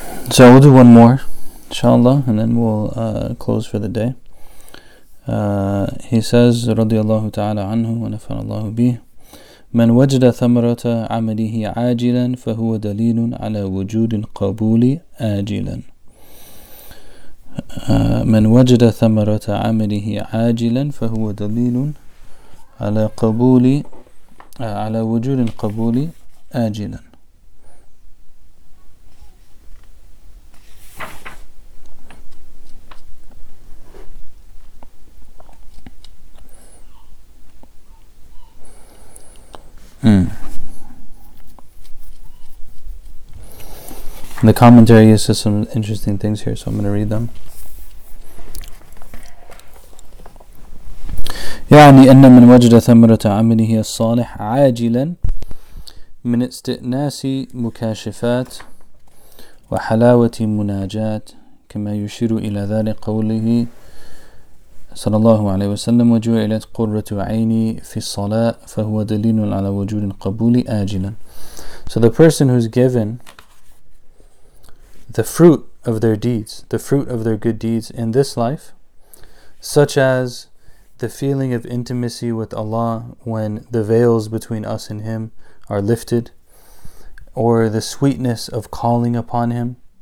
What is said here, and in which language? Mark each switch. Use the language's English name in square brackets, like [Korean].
[English] So we'll do one more, inshallah, and then we'll close for the day. He says, [Arabic] رضي الله تعالى عنه ونفر الله به من وجد ثمرة عمله عاجلا فهو دليل على وجود القبول آجلا من وجد ثمرة عمله عاجلا فهو دليل على قبول على وجود القبول آجلا. [English] The commentary says some interesting things here, so I'm going to read them. [Arabic] يعني أن من وجد ثمرة عمله الصالح عاجلا من استئناس مكاشفات وحلاوة مناجات كما يشير إلى ذلك قوله صلى الله عليه وسلم وجعلت قرة عيني في الصلاة فهو دليل على وجود قبول آجلا. [English] So the person who's given the fruit of their deeds, the fruit of their good deeds in this life, such as the feeling of intimacy with Allah when the veils between us and Him are lifted, or the sweetness of calling upon Him.